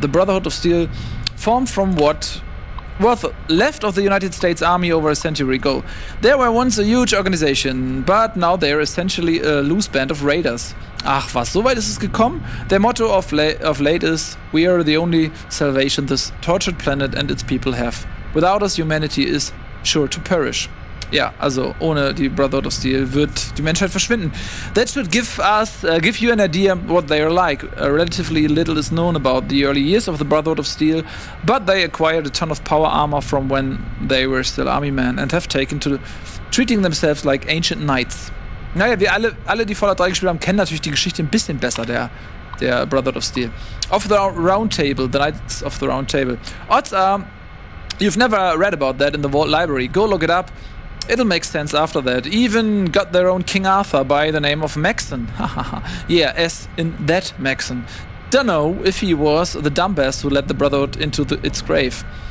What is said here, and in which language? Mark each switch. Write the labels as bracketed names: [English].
[English] The Brotherhood of Steel formed from what was left of the United States Army over a century ago. They were once a huge organization, but now they're essentially a loose band of raiders. [German] Ach was, so weit ist es gekommen? [English] Their motto of late is, we are the only salvation this tortured planet and its people have. Without us, humanity is sure to perish. [German] Ja, also ohne die Brotherhood of Steel wird die Menschheit verschwinden. [English] That should give you an idea what they are like. Relatively little is known about the early years of the Brotherhood of Steel, but they acquired a ton of power armor from when they were still army men and have taken to treating themselves like ancient knights. [German] Naja, wir alle, die Fallout 3 gespielt haben, kennen natürlich die Geschichte ein bisschen besser, der Brotherhood of Steel. [English] Of the Round Table, the Knights of the Round Table. Odds are, you've never read about that in the Vault Library. Go look it up. It'll make sense after that. Even got their own King Arthur by the name of Maxon. Yeah, as in that Maxon. Dunno if he was the dumbass who led the Brotherhood into its grave.